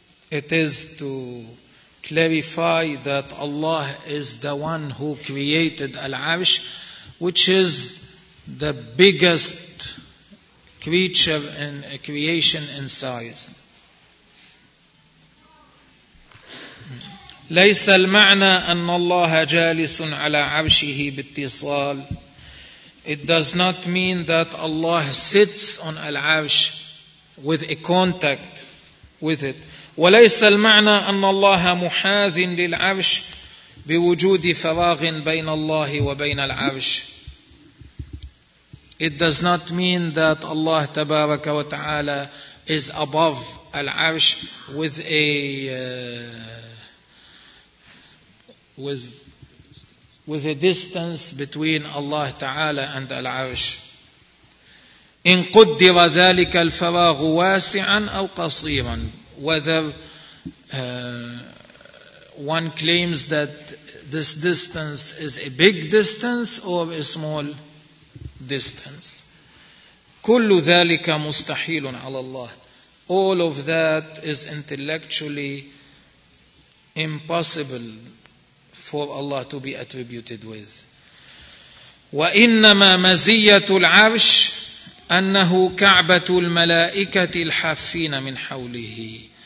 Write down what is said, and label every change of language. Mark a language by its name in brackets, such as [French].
[English] It is to clarify that Allah is the one who created Al-Arsh, which is the biggest creature in a creation in size. [Arabic] ليس المعنى أن الله جالس على عرشه باتصال. [English] It does not mean that Allah sits on Al-Arsh with a contact with it. [Arabic] وليس المعنى أن الله محاذ للعرش بوجود فراغ بين الله وبين العرش. [English] It does not mean that Allah [Arabic] تبارك وتعالى [English] is above العرش with a with a distance between Allah تعالى and العرش. [Arabic] إن قدر ذلك الفراغ واسعا أو قصيرا. [English] Whether one claims that this distance is a big distance or a small distance. [Arabic] كل ذلك مستحيل على الله. [English] All of that is intellectually impossible for Allah to be attributed with. [Arabic] وإنما مزية العرش أنه كعبة الملائكة الحافين من حوله.